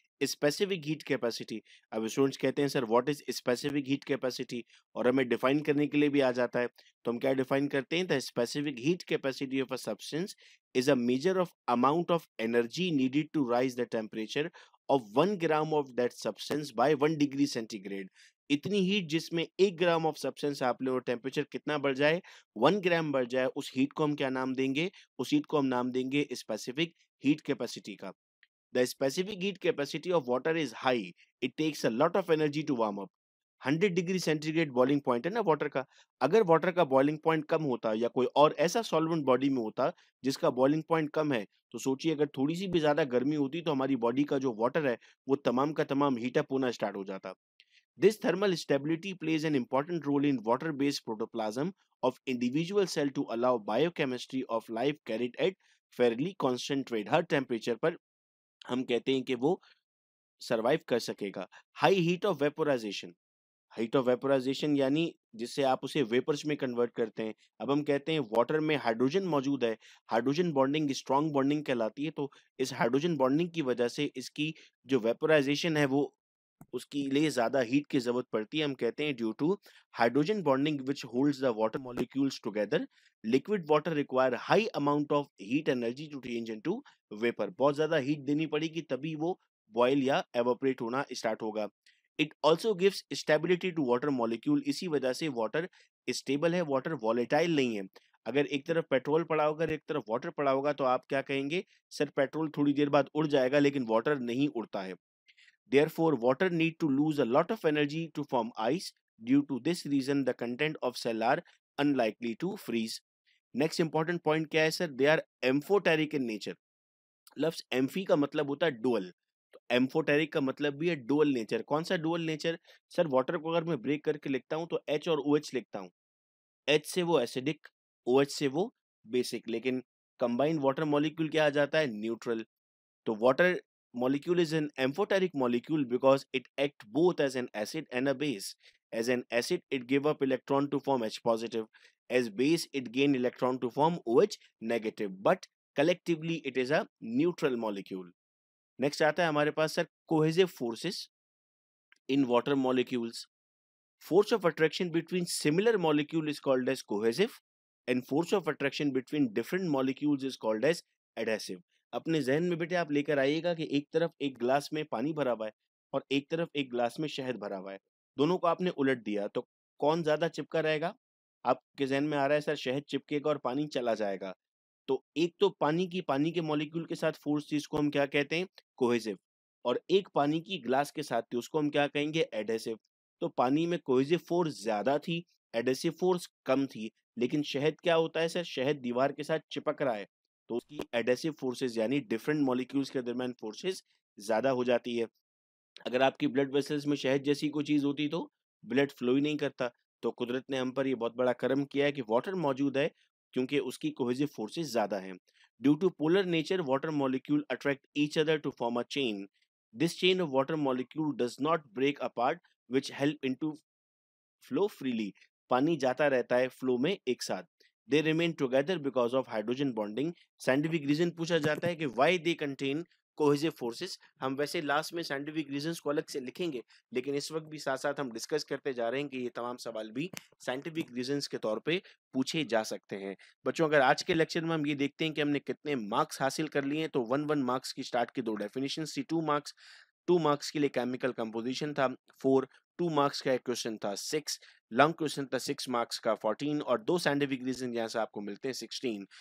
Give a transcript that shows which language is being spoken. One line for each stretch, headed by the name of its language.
English: Specific heat capacity.
Hindi: अब students कहते हैं sir
English: what is specific heat capacity,
Hindi: और हमें डिफाइन करने के लिए भी आ जाता है, तो हम क्या डिफाइन करते हैं,
English: The specific heat capacity of a substance is a measure of amount of energy needed to raise the temperature of 1 gram of that substance by 1 degree centigrade.
Hindi: इतनी हीट जिसमें 1 ग्राम ऑफ सब्सटेंस आप ले और temperature कितना बढ़ जाए, 1 ग्राम बढ़ जाए, उस हीट को हम क्या नाम देंगे, उस हीट को हम नाम देंगे स्पेसिफिक हीट कैपेसिटी का।
English: The specific heat capacity of water is high. It takes a lot of energy to warm up.
Hindi: 100 degree centigrade boiling point है ना water का। अगर water का boiling point कम होता या कोई और ऐसा solvent body में होता जिसका boiling point कम है, तो सोचिए अगर थोड़ी सी भी ज़्यादा गर्मी होती तो हमारी body का जो water है वो तमाम का तमाम heat up होना start हो जाता।
English: This thermal stability plays an important role in water-based protoplasm of individual cell to allow biochemistry of life carried at fairly concentrated
Hindi: हर temperature पर हम कहते हैं कि वो सरवाइव कर सकेगा। High heat of vaporisation, heat of vaporisation यानी जिससे आप उसे वेपर्स में कन्वर्ट करते हैं। अब हम कहते हैं वाटर में हाइड्रोजन मौजूद है, हाइड्रोजन बॉन्डिंग स्ट्रॉन्ग बॉन्डिंग कहलाती है, तो इस हाइड्रोजन बॉन्डिंग की वजह से इसकी जो वेपोराइजेशन है वो उसकी लिए ज्यादा हीट की जरूरत पड़ती है। हम कहते हैं
English: Due to hydrogen bonding which holds the water molecules together liquid water require high amount of heat energy to change into vapour.
Hindi: बहुत ज्यादा हीट देनी पड़ेगी तभी वो बॉयल या एवोपरेट होना स्टार्ट होगा।
English: it also gives stability to water molecule,
Hindi: इसी वजह से वाटर स्टेबल है, वाटर वॉलेटाइल नहीं है। अगर एक तरफ पेट्रोल पड़ा होगा एक तरफ वाटर पड़ा होगा तो आप क्या कहेंगे, सर पेट्रोल थोड़ी देर बाद उड़ जाएगा लेकिन वाटर नहीं उड़ता है।
English: Therefore, water need to lose a lot of energy to form ice. Due to this reason, the content of cell are unlikely to freeze. Next important point
Hindi: क्या है
English: sir? They are amphoteric in nature.
Hindi: लफ्ज amphi का मतलब होता है dual. तो amphoteric का मतलब भी है dual nature. कौन सा dual nature? Sir, water को अगर मैं break करके लिखता हूँ तो H और OH लिखता हूँ. H से वो acidic, OH से वो basic. लेकिन combined water molecule क्या आ जाता है?
English: Neutral. तो water molecule is an amphoteric molecule because it act both as an acid and a base. As an acid, it give up electron to form H positive. As base, it gain electron to form OH negative. But collectively, it is a neutral molecule. Next
Hindi: आता है हमारे पास
English: sir cohesive forces in water molecules. Force of attraction between similar molecule is called as cohesive, and force of attraction between different molecules is called as adhesive.
Hindi: अपने जहन में बेटे आप लेकर आइएगा कि एक तरफ एक ग्लास में पानी भरा हुआ है और एक तरफ एक ग्लास में शहद भरा हुआ है, दोनों को आपने उलट दिया तो कौन ज्यादा चिपका रहेगा? आपके जहन में आ रहा है सर शहद चिपकेगा और पानी चला जाएगा। तो एक तो पानी के मॉलिक्यूल के साथ फोर्स थी उसको हम क्या कहते हैं, कोहेसिव, और एक पानी की ग्लास के साथ थी उसको हम क्या कहेंगे, एडहेसिव। तो पानी में कोहेसिव फोर्स ज्यादा थी, एडहेसिव फोर्स कम थी, लेकिन शहद क्या होता है सर, शहद दीवार के साथ चिपक रहा है तो उसकी एडहेसिव फोर्सेस यानी डिफरेंट मॉलिक्यूल्स के दरमियान फोर्सेस ज्यादा हो जाती है। अगर आपकी ब्लड वेसल्स में शहद जैसी कोई चीज होती तो ब्लड फ्लो ही नहीं करता। तो कुदरत ने हम पर ये बहुत बड़ा कर्म किया है कि वाटर मौजूद है क्योंकि उसकी कोहेसिव फोर्सेस ज्यादा हैं।
English: Due to polar nature water molecule attract each other to form a chain. This chain of water molecule does not break apart which help into flow freely.
Hindi: पानी जाता रहता है फ्लो में एक साथ।
English: They remain together because of hydrogen bonding. Scientific reason
Hindi: पूछा जाता है कि
English: why they contain cohesive forces.
Hindi: हम वैसे last में scientific reasons को अलग से लिखेंगे, लेकिन इस वक्त भी साथ साथ हम discuss करते जा रहे हैं कि ये तमाम सवाल भी scientific reasons के तौर पे पूछे जा सकते हैं। बच्चों अगर आज के लेक्चर में हम ये देखते हैं कि हमने कितने मार्क्स हासिल कर लिए हैं, तो 1 मार्क्स की स्टार्ट की दो डेफिनेशन थी, 2 मार्क्स, 2 मार्क्स के लिए केमिकल कंपोजिशन था 4, 2 मार्क्स का एक क्वेश्चन था 6, लॉन्ग क्वेश्चन था 6 मार्क्स का 14, और 2 साइंटिफिक रीजन यहाँ से आपको मिलते हैं 16।